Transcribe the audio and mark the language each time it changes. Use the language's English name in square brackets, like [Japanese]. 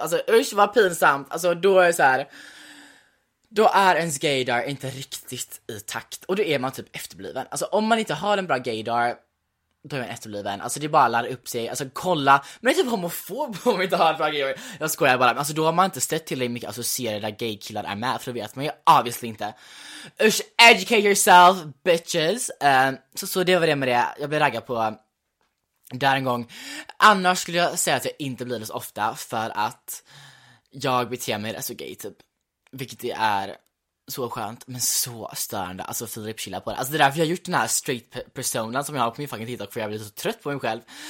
[Swedish] Alltså usch vad pinsamt. Alltså då är det så här. Då är ens gaydar inte riktigt i takt. Och då är man typ efterbliven. Alltså om man inte har en bra gaydar, då är man efterbliven. Alltså det bara laddar upp sig. Alltså kolla. Men det är typ homofob om man inte har en bra gaydar. Jag skojar bara. Men alltså då har man inte stött till hur mycket associerade där gaykillar är med. För då vet man ju obviously inte. [English] Usch, educate yourself, bitches. [Swedish] Så det var det med det. Jag blev raggad på där en gång. Annars skulle jag säga att jag inte blir det så ofta. För att jag beter mig så gay typ. Vilket det är så skönt, men så störande. Alltså Filip chillar på det. Alltså det är därför jag har gjort den här straight personan som jag har på min fucking TikTok. För jag blir så trött på mig själv.